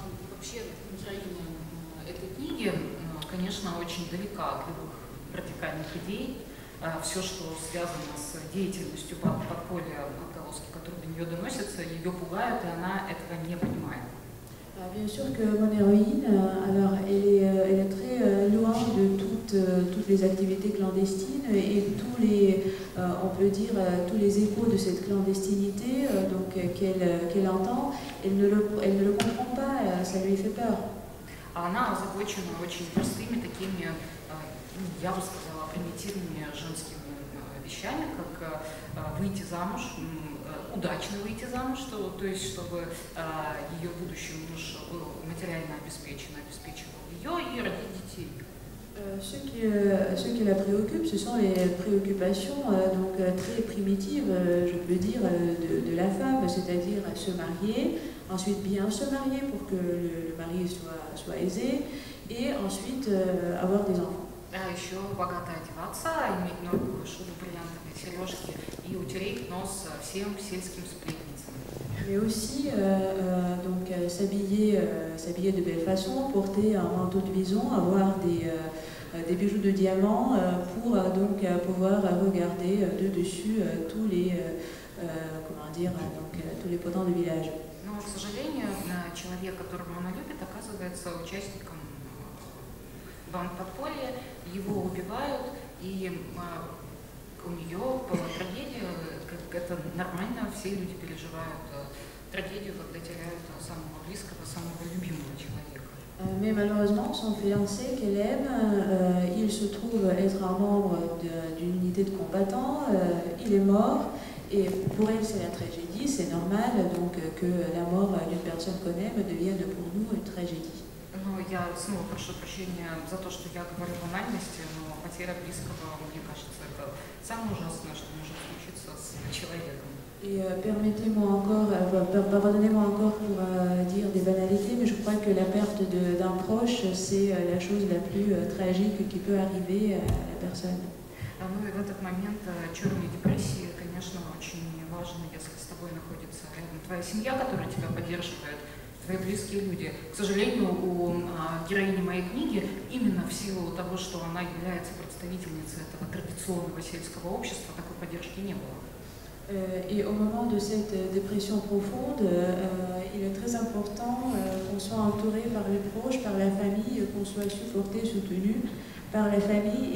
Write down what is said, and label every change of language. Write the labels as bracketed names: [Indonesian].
[Russian] Вообще, героиня этой книги, конечно, очень далека от любых радикальных идей. Все, что связано с деятельностью подполья Галоски, которые до нее доносятся, ее пугают, и она этого не понимает. [French] Bien sûr que mon héroïne, alors elle est très loin de toutes les activités clandestines et tous les, on peut dire, tous les échos de cette clandestinité donc, qu'elle entend, elle ne le comprend pas, ça lui fait peur. [Russian] Она озабочена очень простыми такими, я бы сказала, примитивными женскими вещами. вещами, как выйти замуж, удачно выйти замуж, что, то есть чтобы ее будущий муж был материально обеспечен, обеспечивал ее и родить детей. [French] Ce qui la préoccupe, ce sont les préoccupations donc, très primitives, je peux dire, de la femme, c'est-à-dire se marier, ensuite bien se marier pour que le mari soit aisé, et ensuite avoir des enfants. [Russian] Да, еще богато одеваться, иметь ногу, шубу, бриллиантовые сережки и утереть нос всем сельским сплетницам. [French] Mais aussi donc s'habiller de belle façon, porter un manteau de bison, avoir des bijoux de diamant pour donc pouvoir regarder de dessus tous les comment dire donc tous les potents du village. [Russian] Но, к сожалению, человек, которого она любит, оказывается участником банд-подполья, его убивают, и у нее была трагедия, как это нормально, все люди переживают трагедию, когда теряют самого близкого, самого любимого человека. [French] Mais malheureusement, son fiancé qu'elle aime, il se trouve être un membre d'une unité de combattants, il est mort, et pour elle c'est la tragédie, c'est normal donc que la mort d'une personne qu'on aime devienne pour nous une tragédie. [Russian] Я снова прошу прощения за то, что я говорю о банальности, но потеря близкого, мне кажется, это самое ужасное, что может случиться с человеком. [French] И permettez-moi encore, pardonnez-moi encore pour dire des banalités, mais je crois que la perte d'un proche, c'est la chose la plus tragique qui peut arriver à la personne. [Russian] Ну и в этот момент черные депрессии, конечно, очень важно, если с тобой находится рядом твоя семья, которая тебя поддерживает. Твои близкие люди. К сожалению, у героини моей книги именно в силу того, что она является представительницей этого традиционного сельского общества, такой поддержки не было. [French] И au moment de cette dépression profonde, il est très important qu'on soit entouré par les proches, par la famille, qu'on soit supporté, soutenu par la famille.